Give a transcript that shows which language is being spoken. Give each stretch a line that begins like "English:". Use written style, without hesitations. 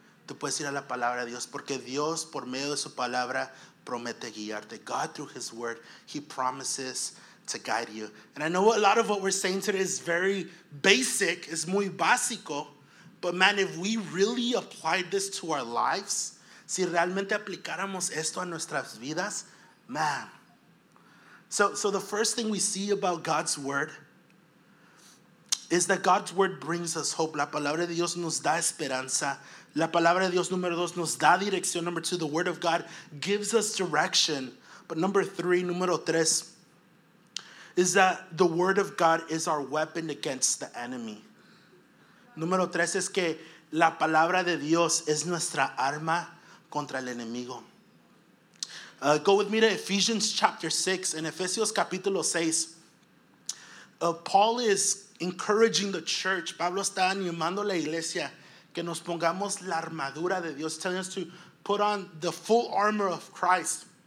Spanish: Tú puedes ir a la palabra de Dios porque Dios, por medio de su palabra, promete guiarte.
English: God, through his word, he promises to guide you. And I know a lot of what we're saying today is very basic, is
Spanish: muy básico,
English: but man, if we really applied this to our lives,
Spanish: si realmente aplicáramos esto a nuestras vidas,
English: man. So the first thing we see about God's word is that God's word brings us hope.
Spanish: La palabra de Dios nos da esperanza. La palabra de Dios, número dos, nos da dirección.
English: Number two, the word of God gives us direction. But número tres, is that the word of God is our weapon against the enemy.
Spanish: Número tres es que la palabra de Dios es nuestra arma contra el enemigo.
English: Go with me to Ephesians chapter 6.
Spanish: En Efesios capítulo 6,
English: Paul is encouraging the church.
Spanish: Pablo está animando a la iglesia que nos pongamos la armadura de Dios,
English: telling us to put on the full armor of Christ.